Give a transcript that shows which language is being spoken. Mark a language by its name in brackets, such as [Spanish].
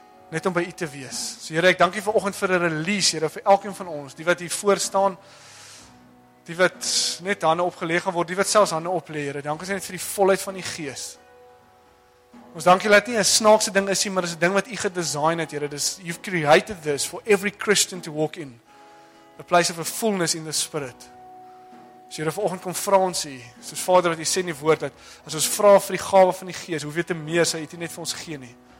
[Afrikaans] Net om by U te wees. So Here, ek dank U vanoggend vir 'n release, Here, vir elkeen van ons, die wat hier voor staan, die wat net hande opgelê gaan word, die wat selfs hande oplê, Here. Dankie sê net vir die volheid van die Gees. Ons dankie dat nie 'n snaakse ding is nie, maar dis 'n ding wat U gedesigne het, Here. [English] Dis you've created this for every Christian to walk in. A place of a fullness in the Spirit. [Afrikaans] So Here, vanoggend kom vra ons U, soos Vader wat U sê in die woord dat as ons vra vir die gawe van die Gees, hoe weet te meer sy dit net vir ons gee nie.